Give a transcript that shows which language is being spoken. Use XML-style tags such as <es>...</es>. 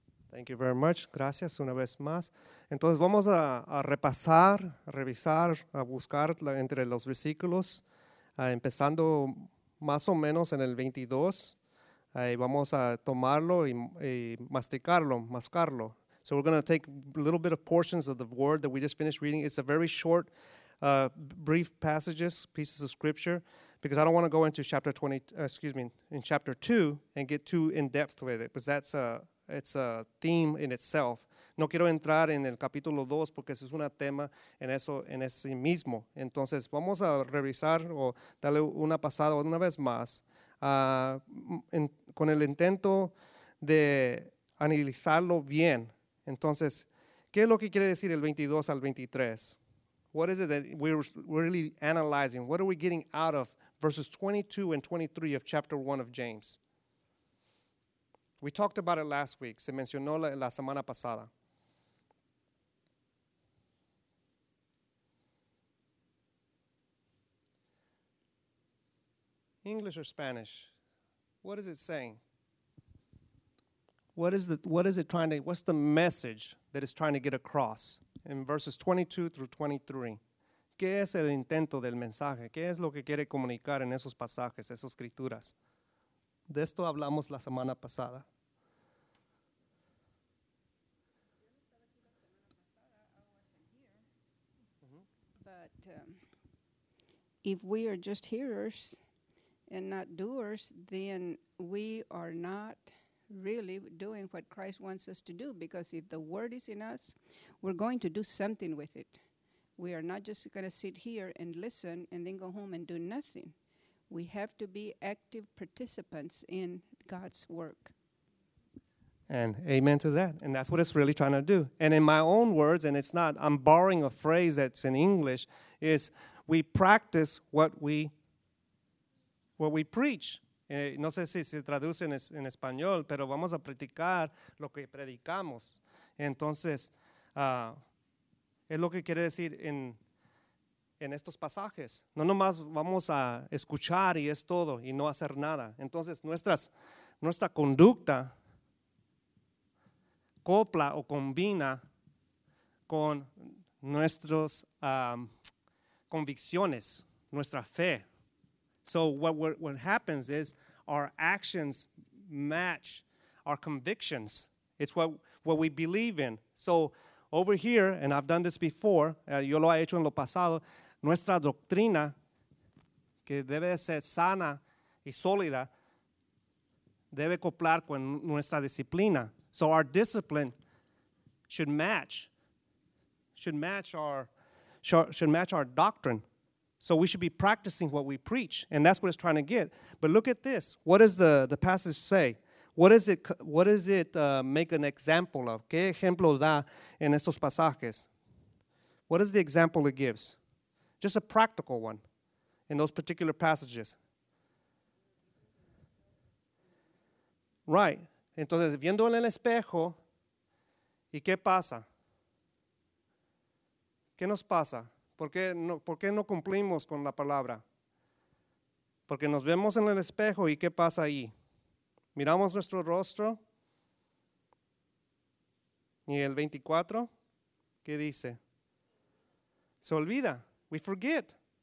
<en>Thank you very much.</en> <es>Gracias una vez más. Entonces vamos a repasar, a revisar, a buscar entre los versículos, empezando más o menos en el 22. Y vamos a tomarlo y masticarlo, mascarlo.</es> <en>So we're going to take a little bit of portions of the word that we just finished reading. It's a very short, brief passages, pieces of scripture, because I don't want to go into chapter 2 and get too in-depth with it, because that's a theme in itself.</en> <es>No quiero entrar en el capítulo 2 porque ese es un tema en sí mismo. Entonces vamos a revisar o darle una pasada una vez más con el intento de analizarlo bien. Entonces, ¿qué es lo que quiere decir el 22 al 23?</es> <en>What is it that we're really analyzing? What are we getting out of verses 22 and 23 of chapter 1 of James? We talked about it last week.</en> <es>Se mencionó la semana pasada.</es> <en>English or Spanish? What is it saying? What's the message that it's trying to get across in verses 22 through 23?</en> <es>¿Qué es el intento del mensaje? ¿Qué es lo que quiere comunicar en esos pasajes, esas escrituras? De esto hablamos la semana pasada.</es> <en>If we are just hearers, and not doers, then we are not really doing what Christ wants us to do, because if the word is in us, we're going to do something with it. We are not just going to sit here and listen and then go home and do nothing. We have to be active participants in God's work. And amen to that. And that's what it's really trying to do. And in my own words, and it's not, I'm borrowing a phrase that's in English, is we practice what we preach.</en> <es>No sé si se traduce en español, pero vamos a predicar lo que predicamos. Entonces, es lo que quiere decir en estos pasajes. No nomás vamos a escuchar y es todo, y no hacer nada. Entonces, nuestra conducta copla o combina con nuestras convicciones, nuestra fe.</es> <en>So what happens is our actions match our convictions. It's what we believe in. So over here, and I've done this before,</en> <es>yo lo he hecho en lo pasado, nuestra doctrina, que debe ser sana y sólida, debe coplar con nuestra disciplina.</es> <en>So our discipline should match our doctrine. So we should be practicing what we preach, and that's what it's trying to get. But look at this. What does the passage say? What does it make an example of?</en> <es>¿Qué ejemplo da en estos pasajes?</es> <en>What is the example it gives? Just a practical one in those particular passages. Right.</en> <es>Entonces, viendo en el espejo, ¿y qué pasa? ¿Qué nos pasa? ¿Por qué no cumplimos con la palabra? Porque nos vemos en el espejo, ¿y qué pasa ahí? Miramos nuestro rostro, y el 24, ¿qué dice? Se olvida.</es> <en>We forget.</en>